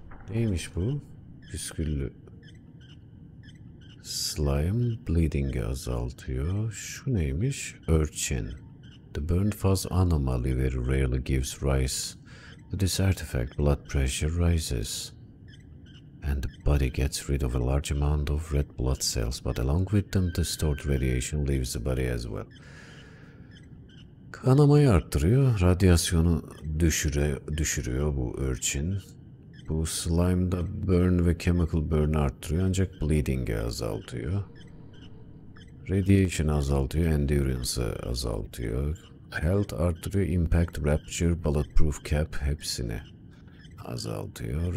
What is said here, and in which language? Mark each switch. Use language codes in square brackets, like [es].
[tr] Neymiş bu? Püsküllü. Slime bleeding'i azaltıyor. Şu neymiş? Urchin. [en] The burned fuzz anomaly very rarely gives rise. With this artifact, blood pressure rises. And the body gets rid of a large amount of red blood cells. But along with them, the stored radiation leaves the body as well. [tr] Kanamayı arttırıyor. Radyasyonu düşürüyor bu urchin. Bu slime da burn ve chemical burn arttırıyor, ancak bleeding'i azaltıyor. Radiation azaltıyor, endurance'ı azaltıyor. Health arttırıyor, impact, rupture, bulletproof cap hepsini azaltıyor.